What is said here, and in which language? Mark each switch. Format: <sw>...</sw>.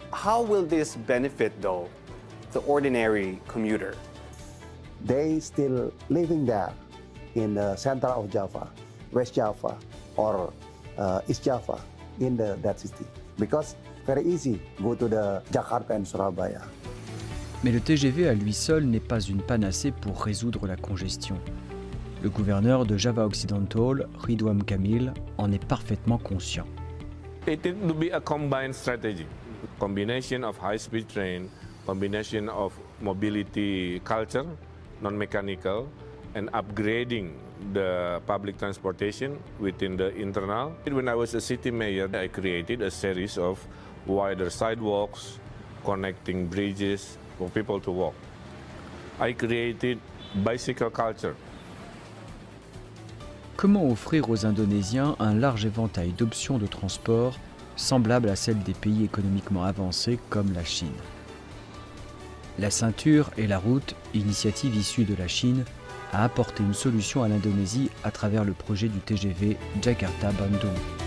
<en>How will this benefit, though, the ordinary commuter? They still living there in the center of Java, West Java, or East Java in that city because. Very easy, go to the Jakarta and Surabaya.</en> <fr>Mais le TGV à lui seul n'est pas une panacée pour résoudre la congestion. Le gouverneur de Java Occidental, Ridwan Kamil, en est parfaitement conscient.</fr> <en>It needs to be a combined strategy. Combination of high-speed train, combination of mobility culture, non-mechanical, and upgrading the public transportation within the internal. When I was a city mayor, I created a series of wider sidewalks, connecting bridges for people to walk. I created bicycle culture.</en> <fr>Comment offrir aux Indonésiens un large éventail d'options de transport semblable à celle des pays économiquement avancés comme la Chine? La ceinture et la route, initiative issue de la Chine, a apporté une solution à l'Indonésie à travers le projet du TGV Jakarta-Bandung.</fr>